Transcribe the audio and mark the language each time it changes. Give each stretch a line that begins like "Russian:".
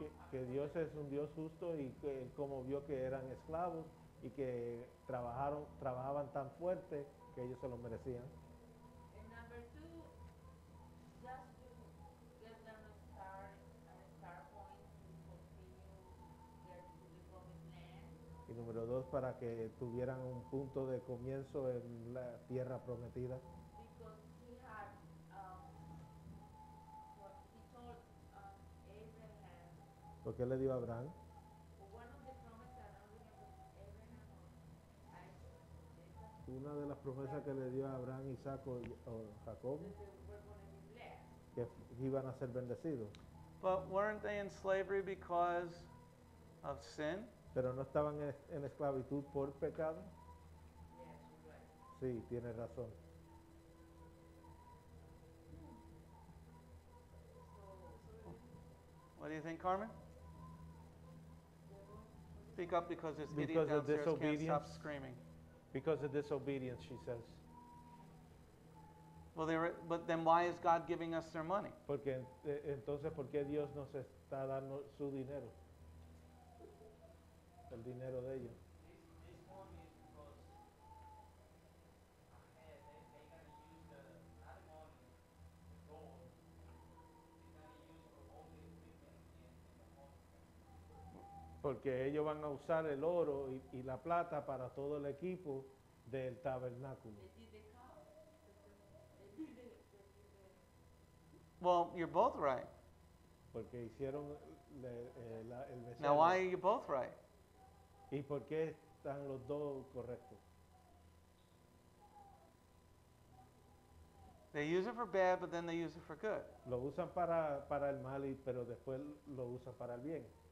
Spanish: Que Dios es un Dios justo y que como vio que eran esclavos y que trabajaban tan fuerte. Que ellos se lo merecían.
English: And number two, just to get them a start point to continue their to the promised land.
Spanish: Y número dos, para que tuvieran un punto de comienzo en la tierra prometida.
English: Because he told Abraham.
Spanish: ¿Por qué le dio a Abraham?
English: One of
Spanish: una de las promesas que le dio a Abraham, Isaac o Jacob, que iban a ser bendecidos.
English: But weren't they in slavery because of sin?
Spanish: Pero no estaban en esclavitud por pecado. Sí, tiene razón.
English: What do you think, Carmen? Speak up because this idiot downstairs can't stop screaming. Because of disobedience, she says. Well, but then why is God giving us their money?
Spanish: Porque entonces, ¿por qué Dios nos está dando su dinero? El dinero de ellos. Porque ellos van a usar el oro y la plata para todo el equipo del tabernáculo.
English: Well, you're both right.
Spanish: Porque hicieron el becerro.
English: Now, why are you both right?
Spanish: ¿Y por qué están los dos correctos?
English: They use it for bad, but then they use it for good.
Spanish: Lo usan para el mal, pero después lo usan para el bien.